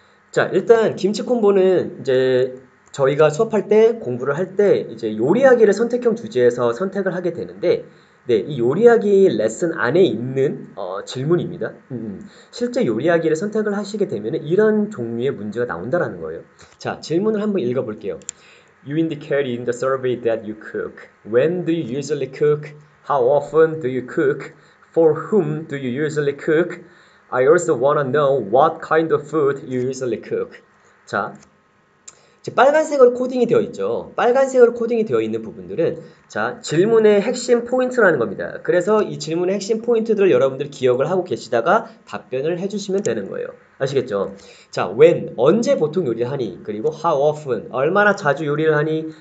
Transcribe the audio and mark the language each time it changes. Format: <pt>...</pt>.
<ko>자, 일단 김치 콤보는 이제 저희가 수업할 때 공부를 할때 이제 요리하기를 선택형 주제에서 선택을 하게 되는데, 네, 이 요리하기 레슨 안에 있는 질문입니다. 실제 요리하기를 선택을 하시게 되면 이런 종류의 문제가 나온다라는 거예요. 자, 질문을 한번 읽어볼게요.</ko> <en>You indicate in the survey that you cook. When do you usually cook? How often do you cook? For whom do you usually cook? I also want to know what kind of food you usually cook.</en> <ko>자, 이제 빨간색으로 코딩이 되어 있죠. 빨간색으로 코딩이 되어 있는 부분들은, 자, 질문의 핵심 포인트라는 겁니다. 그래서 이 질문의 핵심 포인트들을 여러분들이 기억을 하고 계시다가 답변을 해주시면 되는 거예요. 아시겠죠? 자, when, 언제 보통 요리하니? 그리고 how often, 얼마나 자주 요리를 하니?</ko>